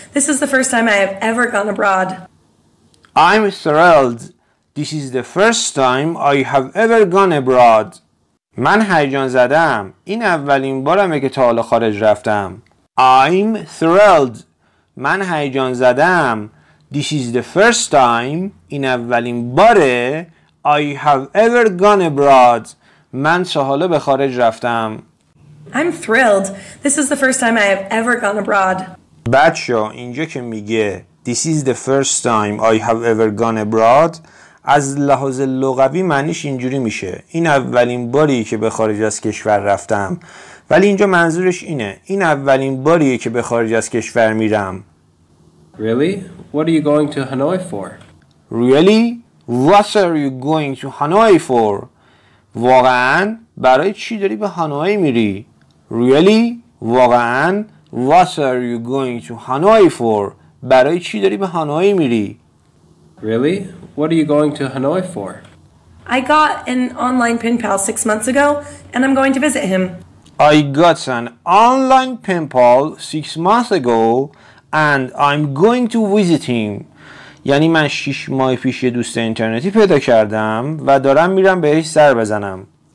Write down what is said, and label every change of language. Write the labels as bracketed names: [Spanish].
[English] This is the first time I have ever gone abroad. I'm thrilled. This is the first time I have ever gone abroad. [Persian] من هیجان زدم. این اولین بارمه که تا حالا خارج رفتم. [English] I'm thrilled. [Persian] من هیجان زدم. [English] This is the first time. [Persian] این اولین باره. [English] I have ever gone abroad. [Persian] من تا حالا به خارج رفتم. [English] I'm thrilled. This is the first time I have ever gone abroad. [Persian] بچه اینجا که میگه [English] This is the first time I have ever gone abroad. [Persian] از لحاظ لغوی معنیش اینجوری میشه. این اولین باری که به خارج از کشور رفتم. ولی اینجا منظورش اینه. این اولین باریه که به خارج از کشور میرم. [English] Really? What are you going to Hanoi for? Really? What are you going to Hanoi for? [Persian] واقعاً برای چی داری به هانوی میری؟ [English] Really? [Persian] واقعاً [English] What are you going to Hanoi for? [Persian] برای چی داری به هانوی میری؟ [English] Really? What are you going to Hanoi for? I got an online pen pal 6 months ago and I'm going to visit him. I got an online pen pal 6 months ago and I'm going to visit him. [Persian] یعنی من 6 ماه پیش یه دوست اینترنتی پیدا کردم و دارم میرم بهش سر بزنم.